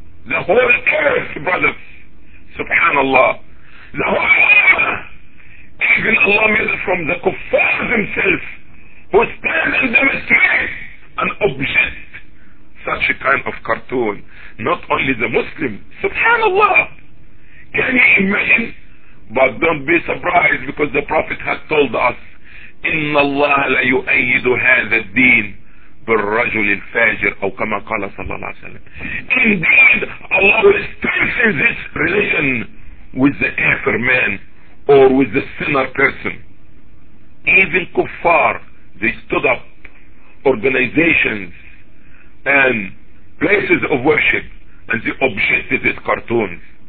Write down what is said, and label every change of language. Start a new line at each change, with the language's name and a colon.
English: The whole earth, brothers, subhanallah, the whole earth, even Allah made it from the kuffar themselves, who stand and demonstrate an object, such a kind of cartoon, not only the Muslim, subhanallah. Can you imagine? But don't be surprised, because the Prophet has told us,
Arabic: إِنَّ اللَّهَ لَيُؤَيِّدُ هَذَا الدِّينَ بِالرَّجُلِ الْفَاجِرِ أو كما قال صلى الله عليه وسلم.
English: Indeed, Allah will strengthen this religion with the kafir man or with the sinner person. Even kuffar, they stood up organizations and places of worship and they objected these cartoons.